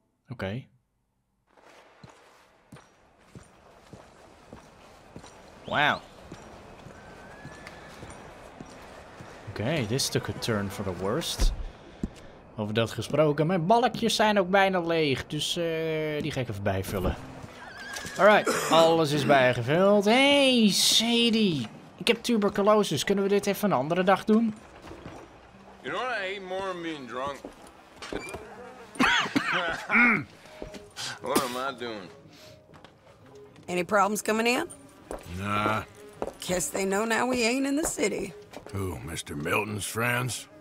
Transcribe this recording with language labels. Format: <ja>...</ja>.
<en>Oké. Wow. Okay, this took a turn for the worst.</en> <nl>Over dat gesproken, mijn balkjes zijn ook bijna leeg, dus die ga ik even bijvullen. Alright, alles is bijgevuld. Hey, Sadie! Ik heb tuberculosis, kunnen we dit even een andere dag doen?</nl> <en>You know what I hate more than being drunk? What am I doing? Any problems coming in? Nah. Guess they know now we ain't in the city. Who, Mr. Milton's friends?</en>